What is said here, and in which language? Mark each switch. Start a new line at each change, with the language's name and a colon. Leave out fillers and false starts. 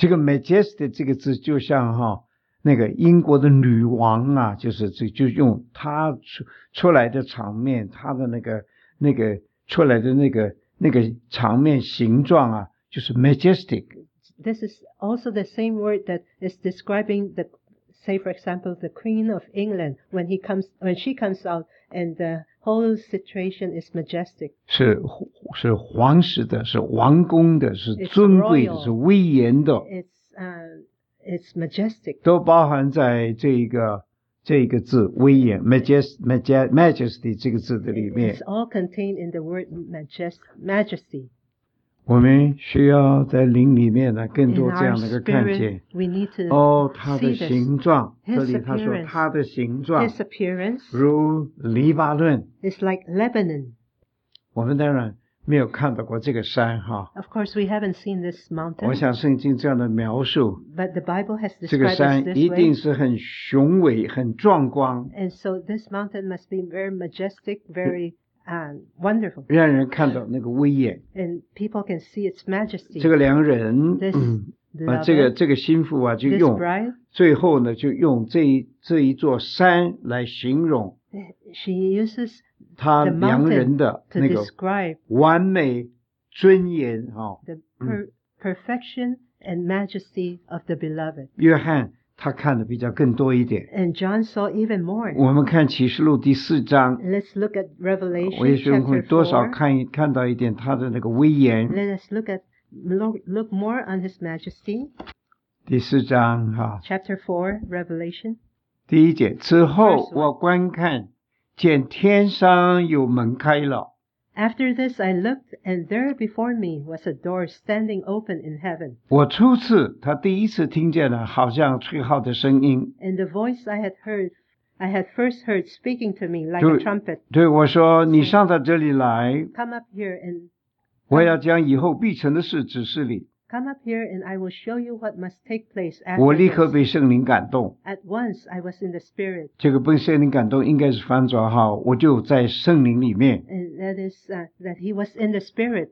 Chinese: 这个 majestic 这个字就像哈那个英国的女王啊，就用她出来的场面，她的那个出来的那个场面形状啊，就是 majestic。
English: This is also the same word that is describing the, say for example, the Queen of England when she comes out and the whole situation is majestic.
Chinese: 是皇室的，是王宫的，是尊贵的，是威严的。
English: It's It's majestic.
Chinese: 都包含在这一个这一个字威严 majesty 这个字的里面。
English: It's all contained in the word majesty.
Chinese: 我们需要在灵里面呢更多这样的一个看见。
English: Spirit, we need to see this.
Chinese: 他的形状，这里他说他的形状
English: His appearance,
Chinese: 如黎巴嫩。
English: It's like Lebanon.
Chinese: 我们当然没有看到过这个山哈。
English: Of course, we haven't seen this mountain.
Chinese: 我想圣经这样的描述。
English: But the Bible has described this way.
Chinese: 这个山一定是很雄伟，很壮观。
English: And so this mountain must be very majestic, very wonderful.
Chinese: 让人看到那个威严。
English: And people can see its majesty.
Chinese: 这个良人，这个心腹啊，就用
English: this bride,
Chinese: 最后呢，就用这一座山来形容。
English: She uses.
Chinese: 他良人的那个完美尊严、哦、
English: The perfection and majesty of the beloved.
Chinese: 约翰他看的比较更多一点。
English: And John saw even more.
Chinese: 我们看启示录第四章。
English: Let's look at Revelation
Chinese: 我也许我们会多少 看到一点他的那个威严。
English: Let us look more on his majesty.
Chinese: 第四章、哦、
English: Chapter 4, Revelation.
Chinese: 第一节之后我观看见天上有门开了。
English: After this, I looked, and there before me was a door standing open in heaven.
Chinese: 我初次，他第一次听见了，好像吹号的声音。
English: And the voice I had first heard speaking to me like a trumpet.
Chinese: 对我说，你上到这里来。
English: Come up here and.
Chinese: 我要将以后必成的事指示你。
English: Come up here and I will show you what must take place after this.
Chinese: 我立刻被圣灵感动。
English: At once I was in the spirit.
Chinese: 这个被圣灵感动应该是翻转哈，我就在圣灵里面。
English: And that is, that he was in the spirit.